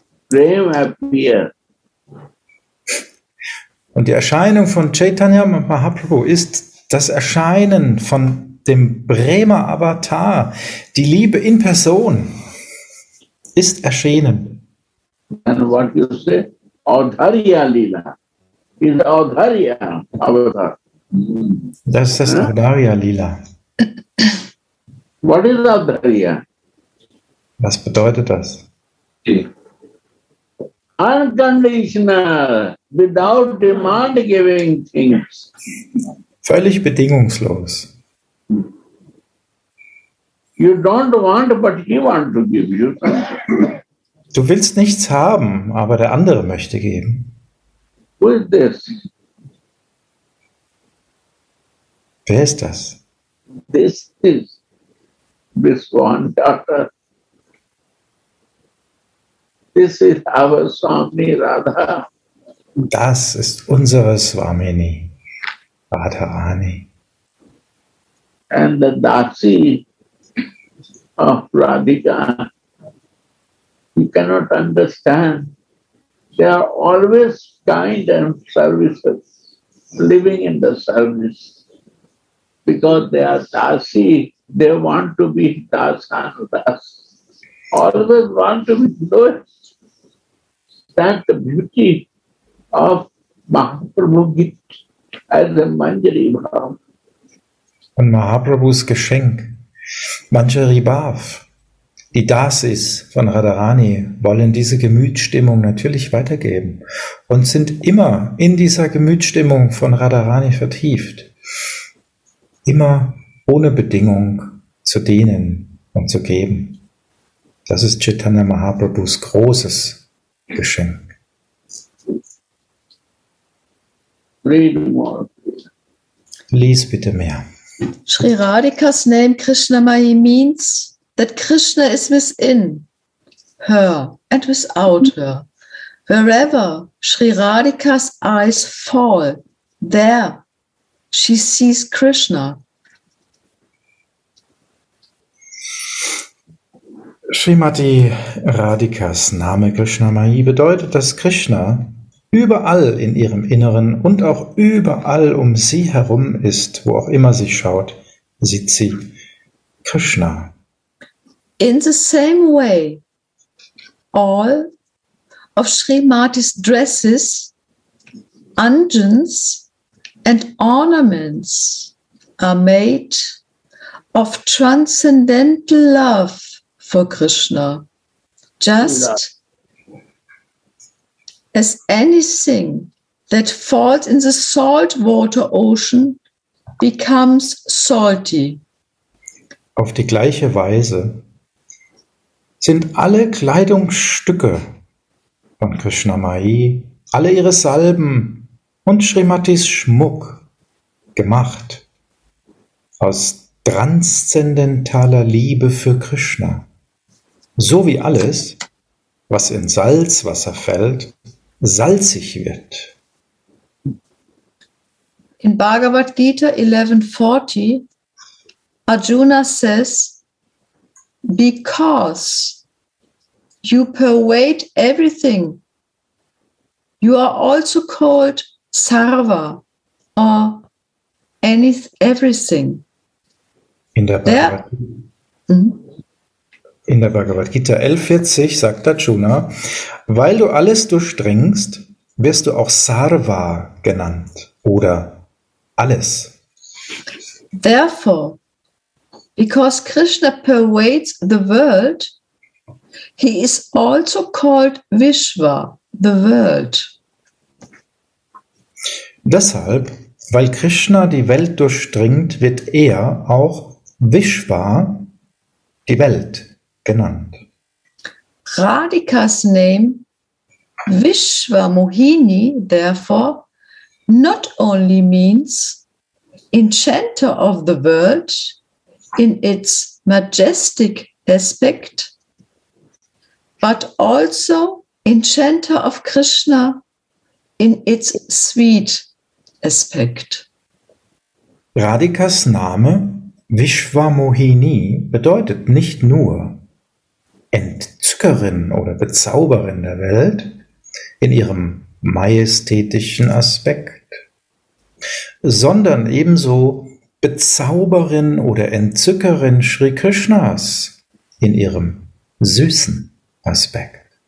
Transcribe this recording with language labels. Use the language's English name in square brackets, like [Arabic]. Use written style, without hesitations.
[English] Prem appears. [German] Und die Erscheinung von Chaitanya Mahaprabhu ist das Erscheinen von dem Prema Avatar, die Liebe in Person, ist erschienen. [English] And what you say, Audharya Lila, is Audharya Avatar. [German] Das ist das Audharya Lila. [English] What is Audharya? [German] Was bedeutet das? [English] Unconditional, without demand giving things. [German] Völlig bedingungslos. [English] You don't want, but he want to give you. [German] Du willst nichts haben, aber der andere möchte geben. [English] Who is this? [German] Wer ist das? [English] This is this one daughter. This is our Swami Radha. [German] Das ist unsere Swamini, Radharani. [English] And the Dasi of Radhika, you cannot understand. They are always kind and services, living in the service. Because they are Dasi, they want to be Dasan, Das. Always want to be Dasan. That the beauty of Mahaprabhu as a Manjari Bhav. [German] Und Mahaprabhus Geschenk, Manjari Bhav, die Dasis von Radharani, wollen diese Gemütsstimmung natürlich weitergeben und sind immer in dieser Gemütsstimmung von Radharani vertieft, immer ohne Bedingung zu dienen und zu geben. Das ist Chaitanya Mahaprabhus großes Geschenk. [English] Read more. [German] Lies bitte mehr. [English] Sri Radhika's name Krishnamayi means that Krishna is within her and without her. Wherever Sri Radhika's eyes fall, there she sees Krishna. [German] Srimati Radhikas Name Krishnamayi bedeutet, dass Krishna überall in ihrem Inneren und auch überall um sie herum ist, wo auch immer sie schaut, sieht sie Krishna. [English] In the same way, all of Srimati's dresses, anjans and ornaments are made of transcendental love for Krishna, just as anything that falls in the salt water ocean becomes salty. [German] Auf die gleiche Weise sind alle Kleidungsstücke von Krishnamayi, alle ihre Salben und Srimatis Schmuck gemacht, aus transzendentaler Liebe für Krishna. So wie alles, was in Salzwasser fällt, salzig wird. [English] In Bhagavad Gita 11:40, Arjuna says, because you pervade everything, you are also called Sarva or everything. [German] In der Bhagavad Gita 11:40 sagt Arjuna, weil du alles durchdringst, wirst du auch Sarva genannt oder alles. [English] Therefore, because Krishna pervades the world, he is also called Vishva, the world. [German] Deshalb, weil Krishna die Welt durchdringt, wird er auch Vishva, die Welt, genannt. [English] Radhika's name, Vishwamohini, therefore, not only means enchanter of the world in its majestic aspect, but also enchanter of Krishna in its sweet aspect. [German] Radhikas Name Vishwamohini bedeutet nicht nur Entzückerin oder Bezauberin der Welt in ihrem majestätischen Aspekt, sondern ebenso Bezauberin oder Entzückerin Sri Krishnas in ihrem süßen Aspekt.